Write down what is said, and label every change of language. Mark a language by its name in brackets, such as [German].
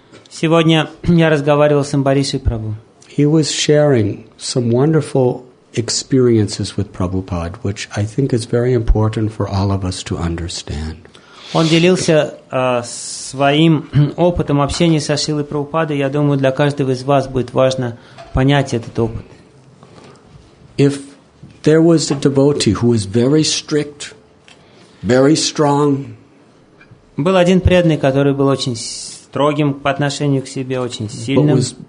[Russian] Сегодня я разговаривал с Амбаришей Прабху. [English] he was sharing some wonderful experiences with Prabhupada, which I think is very important for all of us to understand. [Russian] Он делился своим опытом общения со Шрилой Прабхупадой. Я думаю, для каждого из вас будет важно понять этот опыт. [English] If there was a devotee who was very strict, very strong. [Russian] Был один преданный, который был очень строгим по отношению к себе, очень сильным.